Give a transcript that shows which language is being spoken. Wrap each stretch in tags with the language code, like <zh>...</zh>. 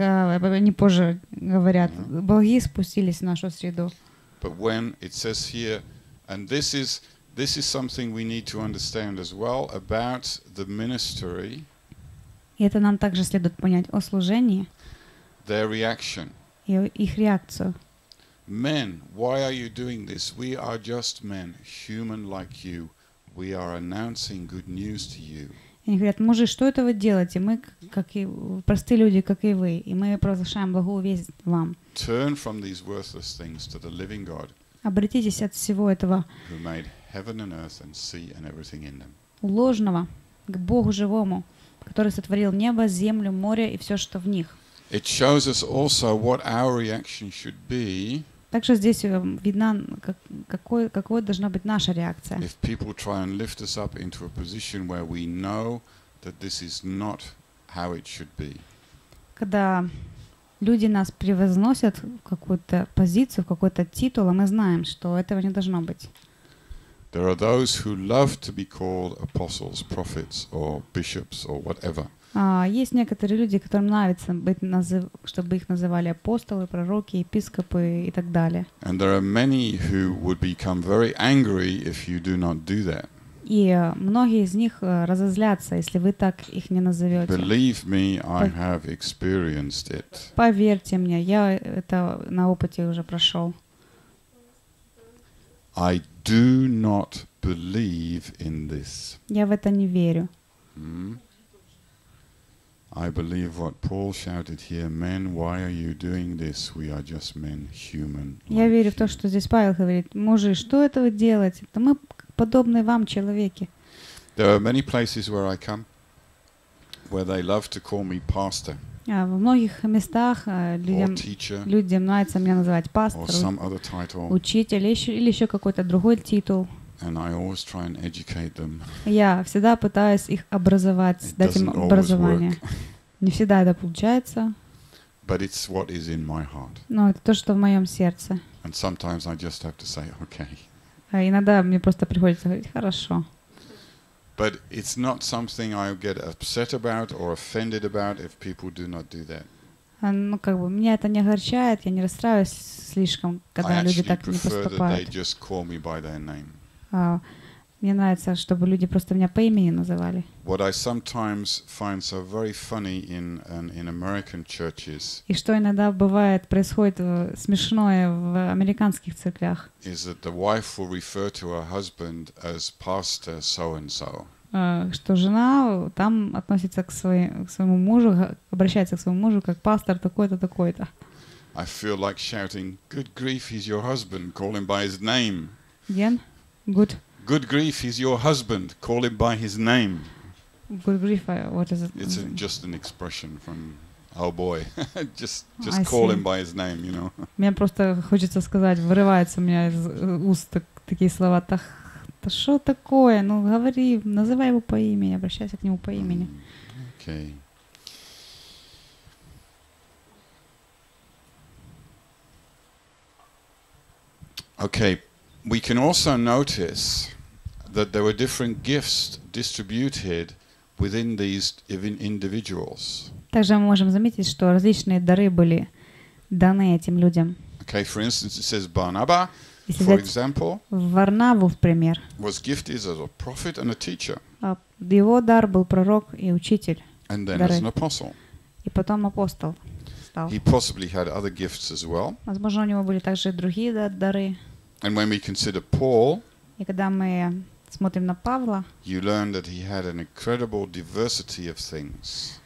<ru>они позже говорят, боги спустились в нашу среду.</ru> <en>But when it says here, and this is something we need to understand as well about the ministry.</en> <ru>И это нам также следует понять о служении.</ru> <en>Their reaction.</en> <ru>И их реакцию.</ru> <en>Men, why are you doing this? We are just men, human like you. We are announcing good news to you.</en> <ru>Они говорят, мужи, что это вы делаете? Мы как и простые люди, как и вы, и мы провозглашаем благую весть вам.</ru> <en>Turn from these worthless things to the living God.</en> <ru>Обратитесь от всего этого.</ru> <en>Who made heaven and earth and sea and everything in them.</en> <ru>Ложного к Богу живому, который сотворил небо, землю, море и все, что в них.</ru> <en>It shows us also what our reaction should be.</en> <ru>Также здесь видно, какой должна быть наша реакция.</ru> <en>If people try and lift us up into a position where we know that this is not how it should be.</en> <ru>Когда люди нас превозносят в какую-то позицию, в какой-то титул, а мы знаем, что этого не должно быть.</ru> <en>There are those who love to be called apostles, prophets, or bishops, or whatever.</en> <ru>Есть некоторые люди, которым нравится быть чтобы их называли апостолы, пророки, епископы и так далее.</ru> <en>And there are many who would become very angry if you do not do that.</en> <ru>И многие из них разозлятся, если вы так их не назовете.</ru> <en>Believe me, I have experienced it.</en> <ru>Поверьте мне, я это на опыте уже прошел.</ru> <en>I do not believe in this.</en> <ru>Я в это не верю.</ru> <en>I believe what Paul shouted here, men, why are you doing this? We are just men, human.</en> <ru>Я верю в то, что здесь Павел говорит: мужи, что это вы делаете? Это мы подобные вам, человеки.</ru> <en>There are many places where I come where they love to call me pastor.</en> <ru>В многих местах людям нравится меня называть пастор, учитель или еще какой-то другой титул.</ru> <en>And I always try and educate them.</en> <ru>Я всегда пытаюсь их образовать,</ru> <en>it</en> <ru>дать им образование. Не всегда это получается.</ru> <en>But it's what is in my heart.</en> <ru>Но это то, что в моем сердце.</ru> <en>And sometimes I just have to say, okay.</en> <ru>А иногда мне просто приходится говорить хорошо.</ru> <en>But it's not something I get upset about or offended about if people do not do that.</en> <ru>Ну, как бы, меня это не огорчает, я не расстраиваюсь слишком, когда люди так не поступают.</ru> <en>I prefer that they just call me by their name.</en> <ru>Мне нравится, чтобы люди просто меня по имени называли.</ru> <en>What I sometimes find so very funny in American churches.</en> <ru>И что иногда бывает, происходит смешное в американских церквях.</ru> <en>Is that the wife will refer to her husband as pastor so and so.</en> <ru>Что жена там относится к своему мужу, обращается к своему мужу как пастор такой-то, такой-то.</ru> <en>I feel like shouting, good grief, he's your husband, call him by his name. Ген? Good. Good grief, he's your husband. Call him by his name. Good grief, what is it? It's just an expression from, oh boy, just call him by his name, you know.</en> <ru>Мне просто хочется сказать, вырывается у меня из уст такие слова, то что такое? Ну говори, называй его по имени, обращайся к нему по имени.</ru> <en>Okay. Okay. We can also notice that there were different gifts distributed within these individuals.</en> <ru>Также мы можем заметить, что различные дары были даны этим людям.</ru> <en>Okay, for instance, it says Barnaba, for example,</en> <ru>Варнаву, в пример,</ru> <en>was gifted as a prophet and a teacher.</en> <ru>Его дар был пророк и учитель.</ru> <en>And then as an apostle.</en> <ru>И потом апостол стал.</ru> <en>He possibly had other gifts as well.</en> <ru>Возможно, у него были также другие дары.</ru> <en>And when we consider Paul,</en> <ru>и когда мы смотрим на Павла,</ru> <en>you learn that he had an incredible diversity of things.</en>